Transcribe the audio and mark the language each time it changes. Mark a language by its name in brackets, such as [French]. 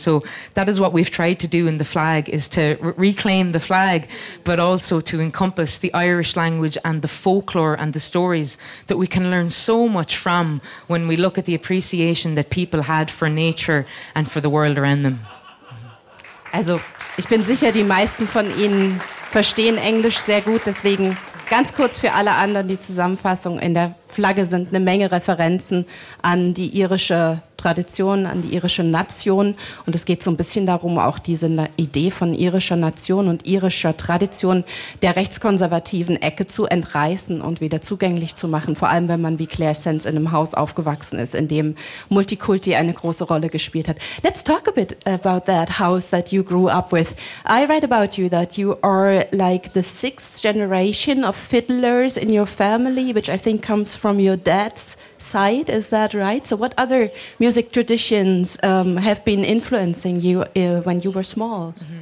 [English] So that is what we've tried to do in the flag, is to reclaim the flag, but also to encompass the Irish language and the folklore and the stories that we can learn so much from when we look at the appreciation that people had for nature and for the world around them. [German] Also, ich bin sicher, die meisten von Ihnen verstehen Englisch sehr gut, deswegen ganz kurz für alle anderen die Zusammenfassung: In der Flagge sind eine Menge Referenzen an die irische Tradition, an die irische Nation. Und es geht so ein bisschen darum, auch diese Idee von irischer Nation und irischer Tradition der rechtskonservativen Ecke zu entreißen und wieder zugänglich zu machen. Vor allem, wenn man wie Claire Sands in einem Haus aufgewachsen ist, in dem Multikulti eine große Rolle gespielt hat. [English] Let's talk a bit about that house that you grew up with. I read about you that you are like the sixth generation of fiddlers in your family, which I think comes from your dad's side, is that right? So what other music traditions have been influencing you when you were small?